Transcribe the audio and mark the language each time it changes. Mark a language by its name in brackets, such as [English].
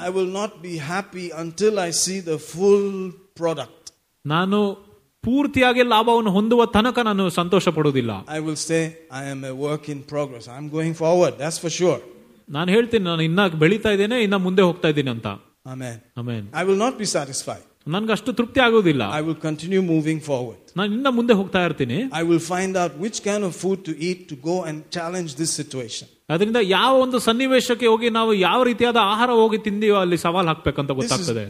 [English] I will not be happy until I see the full product [Kannada] nanu ಪೂರ್ತಿಯಾಗಿ ಲಾಭವನ್ನು ಹೊಂದುವ ತನಕ ನಾನು ಸಂತೋಷ ಪಡುವುದಿಲ್ಲ [English] I will say I am a work in progress I'm going forward that's for sure [Kannada] ನಾನು ಹೇಳ್ತೀನಿ ನಾನು ಇನ್ನ ಬೆಳೀತಾ ಇದ್ದೇನೆ ಇನ್ನ ಮುಂದೆ ಹೋಗ್ತಾ ಇದ್ದೀನಿ ಅಂತ [English] amen amen I will not be satisfied [Kannada] ನನಗೆ ಅಷ್ಟು ತೃಪ್ತಿ ಆಗುವುದಿಲ್ಲ [English] I will continue moving forward [Kannada] ನಾನು ಇನ್ನ ಮುಂದೆ ಹೋಗ್ತಾ ಇರ್ತೀನಿ [English] I will find out which kind of food to eat to go and challenge this situation [Kannada] ಅದರಿಂದ ಯಾವ ಒಂದು ಸನ್ನಿವೇಶಕ್ಕೆ ಹೋಗಿ ನಾವು ಯಾವ ರೀತಿಯಾದ ಆಹಾರ ಹೋಗಿ ತಿಂದಿಯೋ ಅಲ್ಲಿ ಸವಾಲು ಹಾಕ್ಬೇಕಂತ ಗೊತ್ತಾಗ್ತದೆ